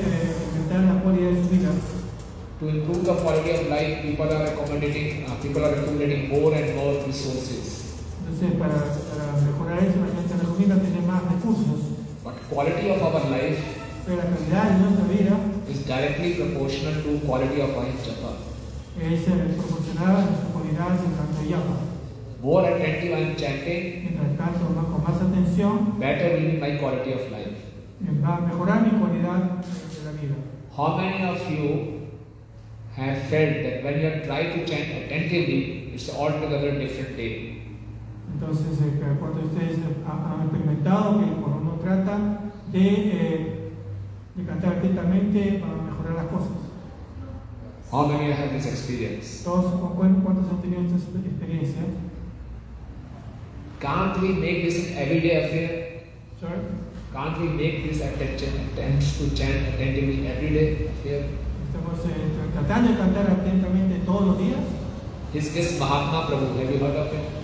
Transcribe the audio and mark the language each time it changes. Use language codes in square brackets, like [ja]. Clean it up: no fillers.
[en] To improve the quality of life, people are accumulating more and more resources. But quality of our life, [es] pero la calidad de nuestra vida [en] is directly proportional to quality of our japa. [es] Es proporcional a nuestra calidad de nuestra japa. [en] More attentive I am chanting, [es] mientras tanto con más atención, [en] better will be my quality of life. [es] Va a mejorar mi calidad de la vida. [en] How many of you have felt that when you try to chant attentively, it's altogether different day? [es] Entonces, cuando ustedes han experimentado que cuando uno trata de cantar atentamente para mejorar las cosas. [en] How many have this experience? [es] ¿Cuántos han tenido esta experiencia? [en] Can't we make this an everyday affair? Sir? Can't we make this attempt to chant attentively everyday affair? [es] ¿Estamos tratando de cantar atentamente todos los días? [en] Is Mahatma Prabhu, have you heard of him?